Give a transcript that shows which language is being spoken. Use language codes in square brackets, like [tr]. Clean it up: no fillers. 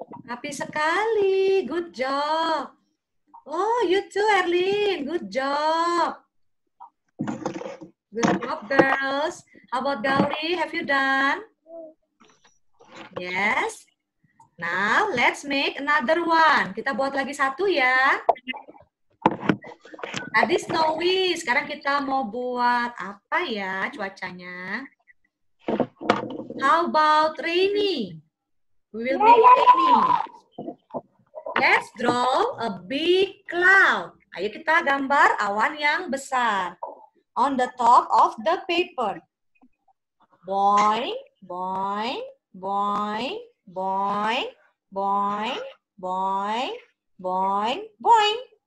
[en] Happy sekali. Good job. Oh, you too, Erlin. Good job. Good job, girls. How about Gauri? Have you done? Yes. Now, let's make another one. [id] Kita buat lagi satu ya. Tadi snowy. Sekarang kita mau buat apa ya cuacanya? [en] How about rainy? We will make rainy. Let's draw a big cloud. [id] Ayo kita gambar awan yang besar. [en] On the top of the paper. Boing, boing, boing, boing. Boing, boing, boing, boing.